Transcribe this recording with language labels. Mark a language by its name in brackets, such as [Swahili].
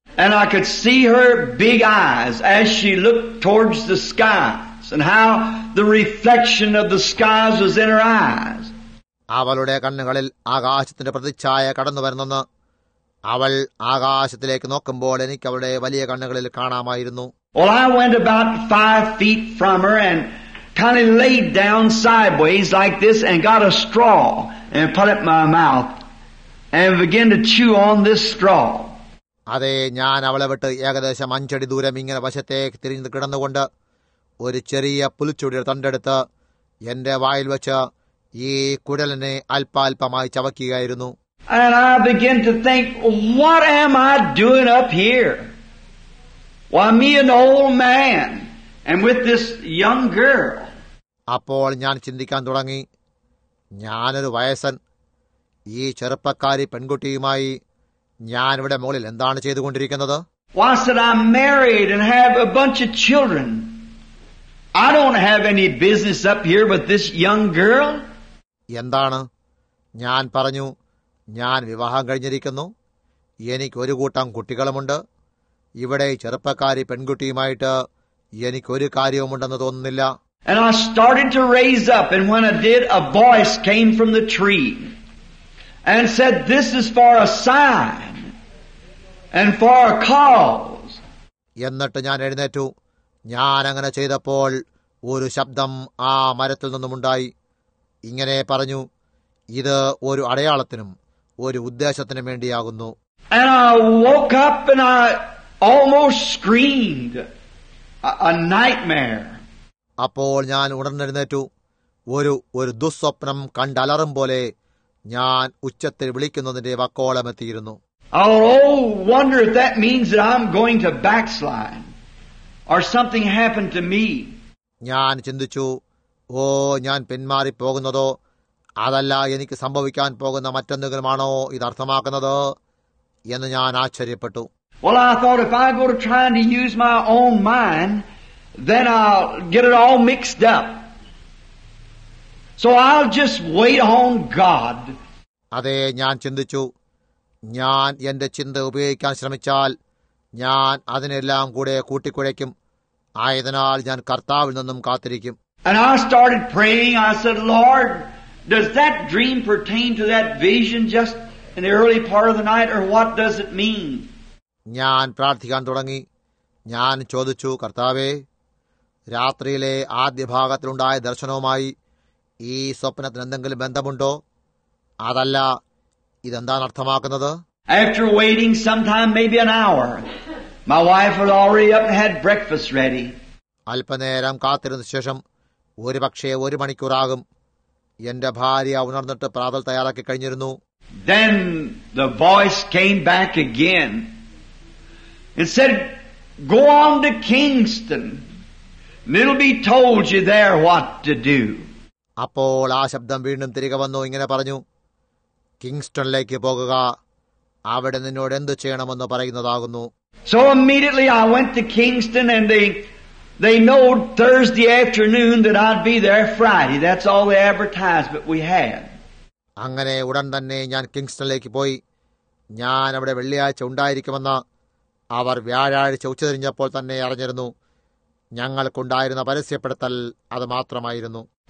[English] And I could see her big eyes as she looked towards the skies and how the reflection of the skies was in her eyes. [Malayalam] അവളുടെ കണ്ണുകളിൽ ആകാശത്തിന്റെ പ്രതിച്ഛായ കടന്നു വരുന്നെന്ന് അവൾ ആകാശത്തിലേക്ക് നോക്കുമ്പോൾ എനിക്ക് അവളുടെ വലിയ കണ്ണുകളിൽ കാണാമായിരുന്നു. [English] Well, I went about 5 feet from her and kind of laid down sideways like this and got a straw and put it in my mouth and began to chew on this straw. [Malayalam] അതെ, ഞാൻ അവളെ വിട്ട് ഏകദേശം 5 അടി ദൂരം ഇങ്ങനെ വശത്തേക്ക് തിരിഞ്ഞ് കിടന്നുകൊണ്ട് ഒരു ചെറിയ പുലിച്ചുടിയുടെ തണ്ടെടുത്ത് എന്റെ വായിൽ വെച്ച് ഈ കുടലിനെ അല്പാൽപമായി ചവക്കുകയായിരുന്നു. [English] And I began to think, what am I doing up here? Why, me an old man, and with this young girl. [Malayalam] അപ്പോൾ ഞാൻ ചിന്തിക്കാൻ തുടങ്ങി, ഞാനൊരു വയസ്സൻ, ഈ ചെറുപ്പക്കാരി പെൺകുട്ടിയുമായി ഞാൻ ഇവിടെ മുകളിൽ എന്താണ് ചെയ്തുകൊണ്ടിരിക്കുന്നത്? [English] Why, said, I'm married and have a bunch of children. I don't have any business up here with this young girl. [Malayalam] എന്താണ്? ഞാൻ പറഞ്ഞു, ഞാൻ വിവാഹം കഴിഞ്ഞിരിക്കുന്നു, എനിക്ക് ഒരു കൂട്ടം കുട്ടികളുമുണ്ട്, ഇവിടെ ചെറുപ്പക്കാരി പെൺകുട്ടിയുമായിട്ട് എനിക്കൊരു കാര്യവുമുണ്ടെന്ന് തോന്നുന്നില്ല. [English] And I started to raise up, and when I did, a voice came from the tree and said, this is for a sign and for a cause. [Malayalam] എന്നിട്ട് ഞാൻ എഴുന്നേറ്റു. ഞാൻ അങ്ങനെ ചെയ്തപ്പോൾ ഒരു ശബ്ദം ആ മരത്തിൽ നിന്നുമുണ്ടായി. ഇങ്ങനെ പറഞ്ഞു, ഇത് ഒരു അടയാളത്തിനും ഒരു ഉദ്ദേശത്തിനും വേണ്ടിയാകുന്നു. [English] And I woke up and I almost screamed. A nightmare. [Malayalam] അപ്പോൾ ഞാൻ ഉണർന്നെഴുന്നേറ്റു. ഒരു ദുസ്വപ്നം കണ്ടലറും പോലെ ഞാൻ ഉച്ചത്തിൽ വിളിക്കുന്നതിന്റെ വക്കോളമെത്തിയിരുന്നു. [English] I'll wonder if that means that I'm going to backslide. Or something happened to me. [Malayalam] ഞാൻ ചിന്തിച്ചു, ഓ, ഞാൻ പിന്മാറി പോകുന്നതോ, അതല്ല എനിക്ക് സംഭവിക്കാൻ പോകുന്ന മറ്റെന്തെങ്കിലുമാണോ ഇത് അർത്ഥമാക്കുന്നത് എന്ന് ഞാൻ ആശ്ചര്യപ്പെട്ടു. [English] Well, I thought if I go to trying to use my own mind, then I'll get it all mixed up. So I'll just wait on God. [Malayalam] അതെ, ഞാൻ ചിന്തിച്ചു. ഞാൻ എന്റെ ചിന്ത ഉപയോഗിക്കാൻ ശ്രമിച്ചാൽ ഞാൻ അതിനെല്ലാം കൂടെ കൂട്ടിക്കുഴയ്ക്കും. ആയതിനാൽ ഞാൻ കർത്താവിൽ നിന്നും കാത്തിരിക്കും. [English] And I started praying. I said, Lord, does that dream pertain to that vision just in the early part of the night, or what does it mean? [Malayalam] ഞാൻ പ്രാർത്ഥിക്കാൻ തുടങ്ങി. ഞാൻ ചോദിച്ചു, കർത്താവേ, രാത്രിയിലെ ആദ്യ ഭാഗത്തിലുണ്ടായ ദർശനവുമായി ഈ സ്വപ്നത്തിന് എന്തെങ്കിലും ബന്ധമുണ്ടോ? അതല്ല, ഇതെന്താണ് അർത്ഥമാക്കുന്നത്? [English] After waiting some time, maybe an hour, my wife had already up and had breakfast ready. [Malayalam] അല്പനേരം കാത്തിരുന്ന ശേഷം ഒരുപക്ഷേ ഒരു മണിക്കൂറാകും, എന്റെ ഭാര്യ ഉണർന്നിട്ട് പ്രാതൽ തയ്യാറാക്കി കഴിഞ്ഞിരുന്നു. [English] Then the voice came back again and said, go on to Kingston and it'll be told you there what to do. [Malayalam] അപ്പോൾ ആ ശബ്ദം വീണ്ടും തിരികെ വന്നു, ഇങ്ങനെ പറഞ്ഞു, കിങ്സ്റ്റണിലേക്ക് പോകുക, അവിടെ നിന്നോട് എന്തു ചെയ്യണമെന്ന് പറയുന്നതാകുന്നു. [English] So immediately I went to Kingston and they know Thursday afternoon that I'd be there Friday. That's all the advertisement we had. [Malayalam] അങ്ങനെ ഉടൻ തന്നെ ഞാൻ കിങ്സ്റ്റണിലേക്ക് പോയി. ഞാൻ അവിടെ വെള്ളിയാഴ്ച ഉണ്ടായിരിക്കുമെന്ന് അവർ വ്യാഴാഴ്ച ഉച്ചതിരിഞ്ഞപ്പോൾ തന്നെ അറിഞ്ഞിരുന്നു. ഞങ്ങൾക്കുണ്ടായിരുന്ന പരസ്യപ്പെടുത്തൽ അത് മാത്രമായിരുന്നു.